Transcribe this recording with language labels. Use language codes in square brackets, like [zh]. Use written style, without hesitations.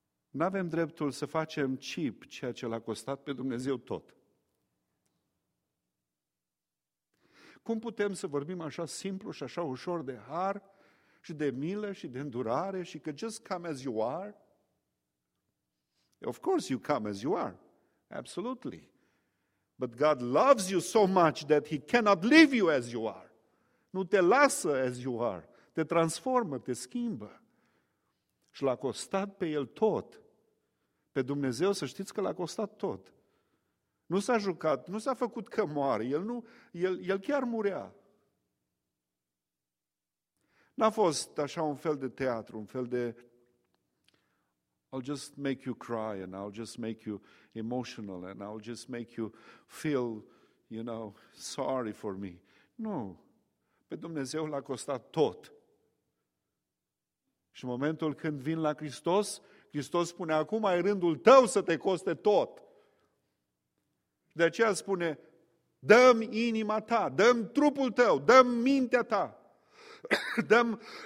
[ro] N-avem dreptul să facem cheap ceea ce l-a costat pe Dumnezeu tot. Cum putem să vorbim așa simplu și așa ușor de har și de milă și de îndurare și că [en] just come as you are? Of course you come as you are. Absolutely. But God loves you so much that He cannot leave you as you are. [ro] Nu te lasă [en] as you are. [ro] Te transformă, te schimbă. Și l-a costat pe El tot. Pe Dumnezeu, să știți că l-a costat tot. Nu s-a jucat, nu s-a făcut că moare. El chiar murea. N-a fost așa un fel de [en] teatru, un fel de I'll just make you cry and I'll just make you emotional and I'll just make you feel, you know, sorry for me. [ro] Nu. Pe Dumnezeu l-a costat tot. Și în momentul când vin la Hristos, Hristos spune, acum ai rândul tău să te coste tot. De aceea spune, dă-mi inima ta, dă-mi trupul tău, dă-mi mintea ta, dă-mi